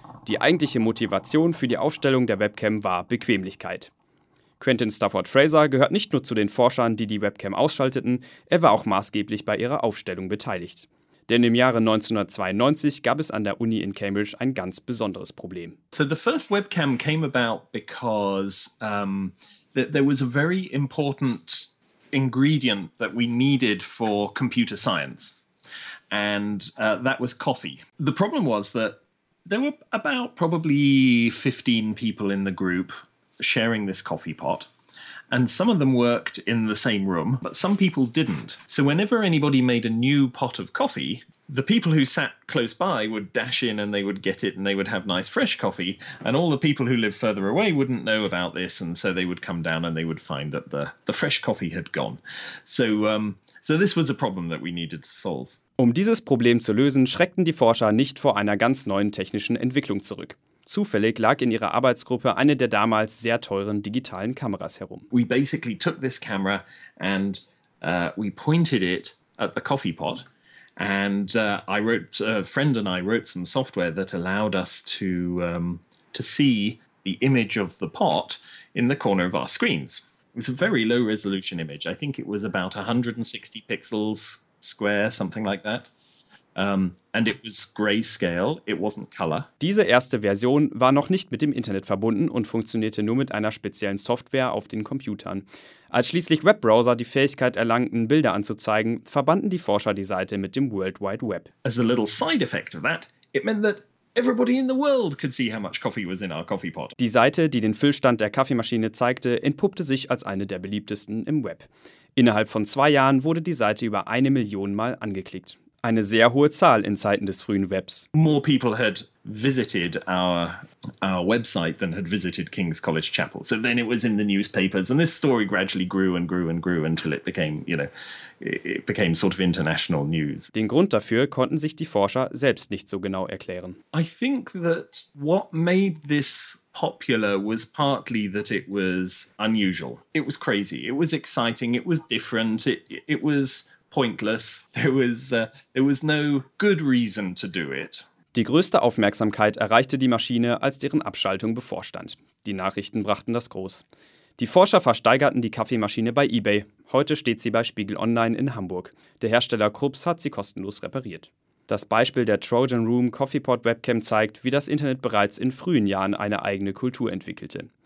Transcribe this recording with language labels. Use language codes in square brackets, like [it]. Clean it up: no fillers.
[de] Die eigentliche Motivation für die Aufstellung der Webcam war Bequemlichkeit. Quentin Stafford Fraser gehört nicht nur zu den Forschern, die die Webcam ausschalteten, er war auch maßgeblich bei ihrer Aufstellung beteiligt. Denn im Jahre 1992 gab es an der Uni in Cambridge ein ganz besonderes Problem. [en] So the first webcam came about because there was a very important ingredient that we needed for computer science. And that was coffee. The problem was that there were about probably 15 people in the group sharing this coffee pot. And some of them worked in the same room, but some people didn't. So whenever anybody made a new pot of coffee, the people who sat close by would dash in and they would get it and they would have nice fresh coffee. And all the people who lived further away wouldn't know about this. And so they would come down and they would find that the fresh coffee had gone. So this was a problem that we needed to solve. [de] Um dieses Problem zu lösen, schreckten die Forscher nicht vor einer ganz neuen technischen Entwicklung zurück. Zufällig lag in ihrer Arbeitsgruppe eine der damals sehr teuren digitalen Kameras herum. [en] We basically took this camera and we pointed it at the coffee pot and a friend and I wrote some software that allowed us to see the image of the pot in the corner of our screens. It was a very low resolution image. I think it was about 160 pixels square, something like that. And it was grayscale, it wasn't color. [de] Diese erste Version war noch nicht mit dem Internet verbunden und funktionierte nur mit einer speziellen Software auf den Computern. Als schließlich Webbrowser die Fähigkeit erlangten, Bilder anzuzeigen, verbanden die Forscher die Seite mit dem World Wide Web. [en] As a little side effect of that, it meant that everybody in the world could see how much coffee was in our coffee pot. [de] Die Seite, die den Füllstand der Kaffeemaschine zeigte, entpuppte sich als eine der beliebtesten im Web. Innerhalb von 2 Jahren wurde die Seite über 1 Million Mal angeklickt. Eine sehr hohe Zahl in Zeiten des frühen Webs. [en] More people had visited our website than had visited King's College Chapel. So then it was in the newspapers and this story gradually grew and grew and grew until it became, you know, it became sort of international news. [de] Den Grund dafür konnten sich die Forscher selbst nicht so genau erklären. [en] I think that what made this popular was partly that it was unusual. It was crazy. It was exciting. It was different. It was pointless. There was no good reason to do it. [de] Die größte Aufmerksamkeit erreichte die Maschine, als deren Abschaltung bevorstand. Die Nachrichten brachten das groß. Die Forscher versteigerten die Kaffeemaschine bei eBay. Heute steht sie bei Spiegel Online in Hamburg. Der Hersteller Krups hat sie kostenlos repariert. Das Beispiel der Trojan Room Coffeepot Webcam zeigt, wie das Internet bereits in frühen Jahren eine eigene Kultur entwickelte.